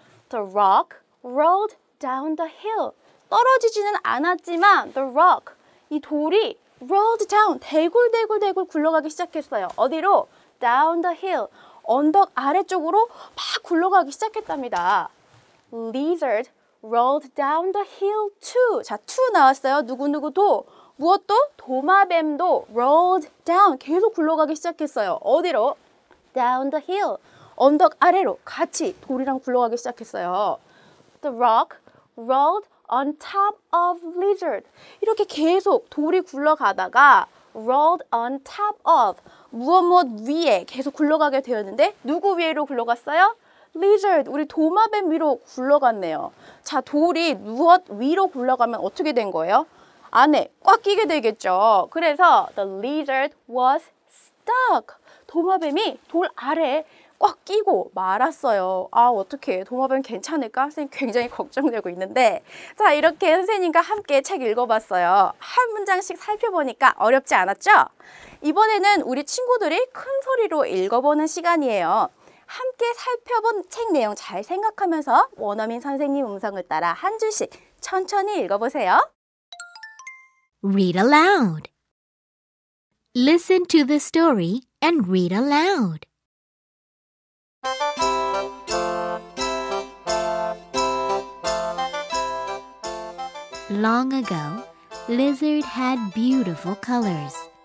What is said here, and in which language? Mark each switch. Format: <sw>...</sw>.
<en>The rock rolled down the hill.</en> <ko>떨어지지는 않았지만 the rock, 이 돌이 rolled down, 대굴대굴대굴 굴러가기 시작했어요. 어디로? Down the hill, 언덕 아래쪽으로 막 굴러가기 시작했답니다.</ko> <en>Lizard rolled down the hill too.</en> <ko>자, to 나왔어요. 누구누구도. 무엇도? 도마뱀도 rolled down, 계속 굴러가기 시작했어요. 어디로? Down the hill, 언덕 아래로 같이 돌이랑 굴러가기 시작했어요.</ko> <en>The rock rolled on top of lizard.</en> <ko>이렇게 계속 돌이 굴러가다가 rolled on top of, 무엇무엇 위에 계속 굴러가게 되었는데 누구 위로 굴러갔어요? Lizard, 우리 도마뱀 위로 굴러갔네요. 자, 돌이 무엇 위로 굴러가면 어떻게 된 거예요? 안에 꽉 끼게 되겠죠.</ko> <en>그래서 the lizard was stuck.</en> <ko>도마뱀이 돌 아래 꽉 끼고 말았어요. 아, 어떡해. 도마뱀 괜찮을까? 선생님 굉장히 걱정되고 있는데. 자, 이렇게 선생님과 함께 책 읽어봤어요. 한 문장씩 살펴보니까 어렵지 않았죠? 이번에는 우리 친구들이 큰 소리로 읽어보는 시간이에요. 함께 살펴본 책 내용 잘 생각하면서 원어민 선생님 음성을 따라 한 줄씩 천천히 읽어보세요.</ko> <en>Read aloud. Listen to the story and read aloud. Long ago, Lizard had beautiful colors.</en>